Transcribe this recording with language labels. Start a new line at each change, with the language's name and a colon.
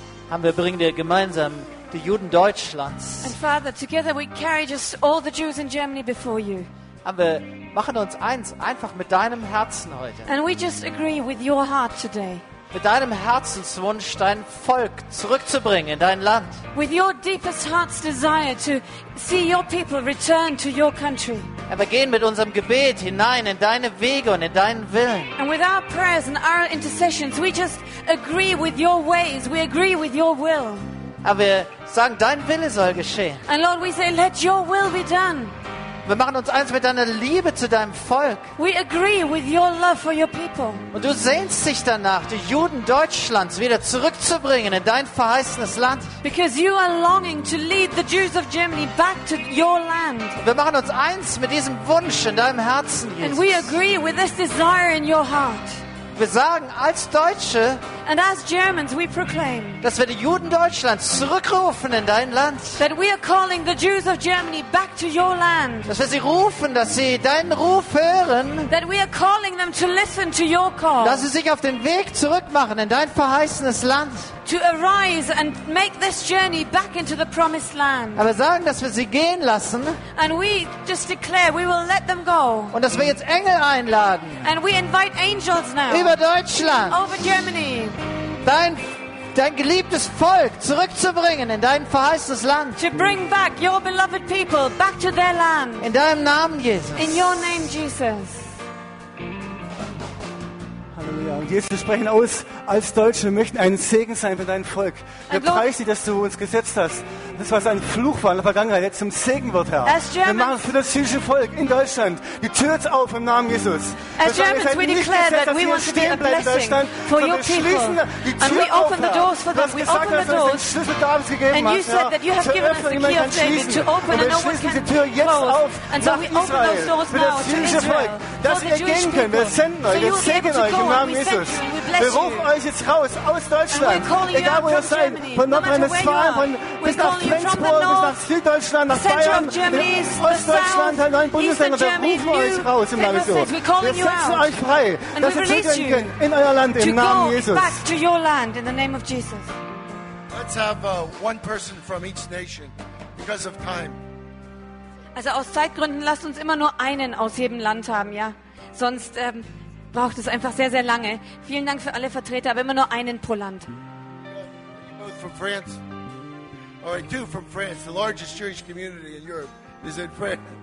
German: Haben wir bringen dir gemeinsam die Juden Deutschlands.
English: And Father, together we carry just all the Jews in Germany before you.
German: Haben wir machen uns eins einfach mit deinem Herzen heute.
English: And we just agree with your heart today.
German: Mit deinem Herzenswunsch dein Volk zurückzubringen in dein Land.
English: With your deepest heart's desire to see your people return to your country.
German: Aber gehen mit unserem Gebet hinein in deine Wege und in deinen Willen.
English: And with our prayers and our intercessions we just agree with your ways, we agree with your will.
German: Aber wir sagen dein Wille soll geschehen.
English: And Lord we say let your will be done.
German: Wir machen uns eins mit deiner Liebe zu deinem Volk.
English: We agree with your love for your people.
German: Und du sehnst dich danach, die Juden Deutschlands wieder zurückzubringen in dein verheißenes Land.
English: Because you are longing to lead the Jews of Germany back to your land.
German: Wir machen uns eins mit diesem Wunsch in deinem Herzen, Jesus.
English: And we agree with this desire in your heart.
German: Wir sagen als Deutsche,
English: and as Germans, we proclaim,
German: dass wir die Juden Deutschlands zurückrufen in dein Land.
English: That we are calling the Jews of Germany back to your land.
German: Dass wir sie rufen, dass sie deinen Ruf hören.
English: That we are calling them to listen to your call.
German: Dass sie sich auf den Weg zurückmachen in dein verheißenes Land.
English: To arise and make this journey back into the promised land.
German: Aber sagen, dass wir sie gehen lassen.
English: And we just declare we will let them go.
German: Und dass wir jetzt Engel einladen.
English: And we invite angels now.
German: Über Deutschland.
English: Over Germany.
German: Dein geliebtes Volk zurückzubringen in dein verheißenes Land.
English: To bring back your beloved people back to their land.
German: In deinem Namen, Jesus.
English: In your name, Jesus.
German: Halleluja. Und Jesus, wir sprechen aus als Deutsche. Wir möchten ein Segen sein für dein Volk. Wir preisen dich, dass du uns gesetzt hast. Das, was ein Fluch war in der Vergangenheit, jetzt zum Segen wird, Herr. Wir machen für das jüdische Volk in Deutschland die Tür jetzt auf im Namen Jesus.
English: As Germans, we declare that we want to be a blessing for your people. And we open the doors for them. We open the doors. And you said that you have given us the key of David to open and no one can close. And so we open those doors now to Israel. For the Jewish people.
German: Wir senden euch. Wir segnen euch. Im Namen Jesus. Wir rufen euch jetzt raus aus Deutschland. Egal wo ihr seid, von Nordrhein-Westfalen, von bis nach Flensburg, bis nach Süddeutschland, nach Bayern, Ostdeutschland, der neuen Bundesländer. Wir rufen euch raus im Namen Jesus. Wir setzen euch frei, dass ihr zurückgehen könnt in euer Land im Namen Jesus.
English: Let's have one person from each nation because of time.
German: Also aus Zeitgründen lasst uns immer nur einen aus jedem Land haben, ja? Sonst braucht es einfach sehr, sehr lange. Vielen Dank für alle Vertreter, aber immer nur einen pro Land.
English: Both from France. All right, two from France, the largest Jewish community in Europe is in France.